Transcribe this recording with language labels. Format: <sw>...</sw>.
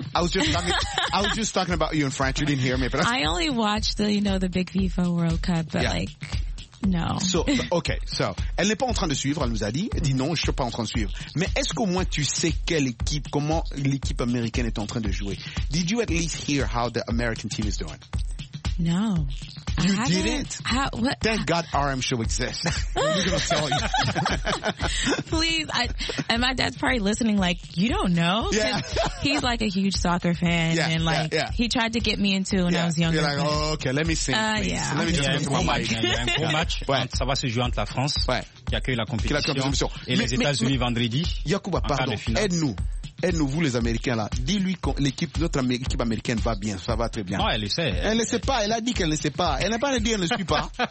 <en>I was just talking about you in French. You didn't hear me, but I only watched the big FIFA World Cup, but like. No.</en> <fr>So, elle n'est pas en train de suivre, elle nous a dit. Elle dit non, je suis pas en train de suivre. Mais est-ce qu'au moins tu sais comment l'équipe américaine est en train de jouer?</fr> <en>Did you at least hear how the American team is doing? No. You didn't? Thank God RM Show exists. We're gonna tell you. Please, and my dad's probably listening like, you don't know? Yeah. He's like a huge soccer fan. Yeah, and like, he tried to get me into when I was younger. You're like, okay, let me see. Let me just go to my mic.</en> <fr>Il y a un gros match. Ça va se jouer entre la France, qui accueille la compétition, et les États-Unis vendredi. Yacouba, pardon, aide-nous. Aide-nous, vous les Américains, là. Dis-lui que notre équipe américaine va bien, ça va très bien. Non, elle le sait. Elle ne sait pas, elle a dit qu'elle ne sait pas. Elle n'a pas dit, elle ne suit pas.</fr>